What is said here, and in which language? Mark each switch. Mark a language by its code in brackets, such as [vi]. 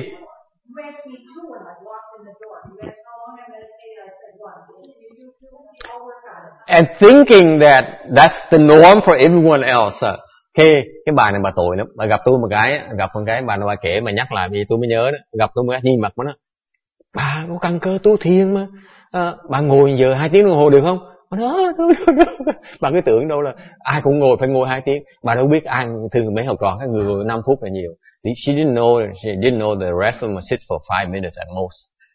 [en] You asked me too when I walked in the door. You asked how long I meditated. I said, "One." And thinking that that's the norm for everyone else. [vi] Hey, cái bà này bà tội lắm. Bà gặp tôi một cái, gặp con cái bà nó bà kể mà nhắc lại thì tôi mới nhớ đó. Gặp tôi một cái nhìn mặt nó. Bà có căn cơ tu thiền mà. À, bà ngồi giờ 2 tiếng đồng hồ được không? Bà nói, bà cứ tưởng đâu là ai cũng ngồi phải ngồi 2 tiếng. Bà đâu biết ai thường mấy học trò các người ngồi 5 phút là nhiều. [en] She didn't know the rest of them sit for 5 minutes at most.